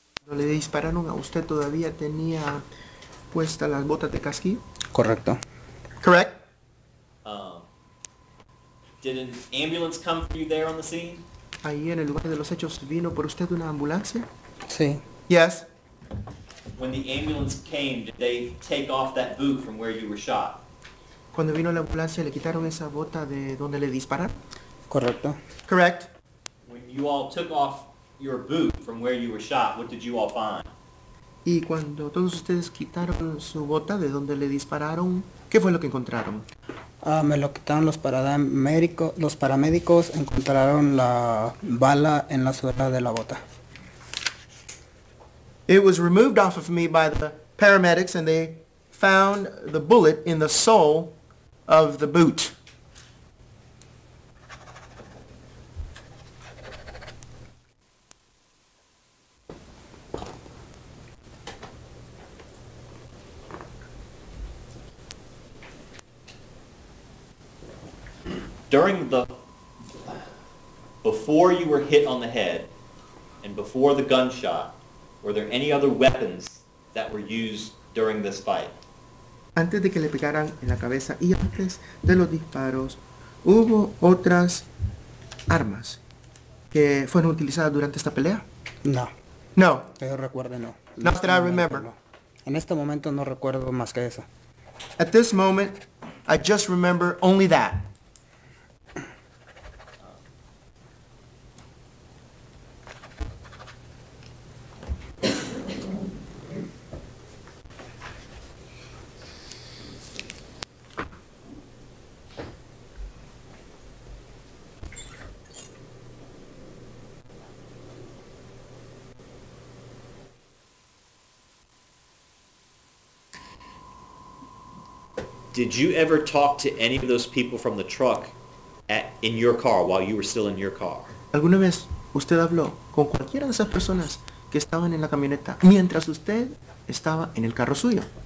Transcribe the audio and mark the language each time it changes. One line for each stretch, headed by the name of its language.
Spanish: Le dispararon a usted todavía tenía puestas las botas de casquillo. Correcto.
English: Correct. Did an ambulance come for you there on the scene?
Spanish: Ahí en el lugar de los hechos vino por usted una ambulancia. Sí.
English: Yes. When the ambulance came, did they take off that boot from where you were shot?
Spanish: Cuando vino la ambulancia le quitaron esa bota de donde le dispararon. Correcto.
English: Correct. When you all took off your boot from where you were shot, what did you all find?
Spanish: Y cuando todos ustedes quitaron su bota de donde le dispararon, ¿qué fue lo que encontraron? Me lo quitaron los paramédicos encontraron la bala en la suela de la bota.
English: It was removed off of me by the paramedics and they found the bullet in the sole of the boot. During the, before you were hit on the head, and before the gunshot, were there any other weapons that were used during this fight?
Spanish: Antes de que le pegaran en la cabeza y antes de los disparos, hubo otras armas que fueron utilizadas durante esta pelea? No.
English: No.
Spanish: Que yo recuerde, no.
English: Not that I remember.
Spanish: En este momento no recuerdo más que eso.
English: At this moment, I just remember only that. Did you ever talk to any of those people from the truck in your car while you were still in your car?
Spanish: ¿Alguna vez usted habló con cualquiera de esas personas que estaban en la camioneta mientras usted estaba en el carro suyo?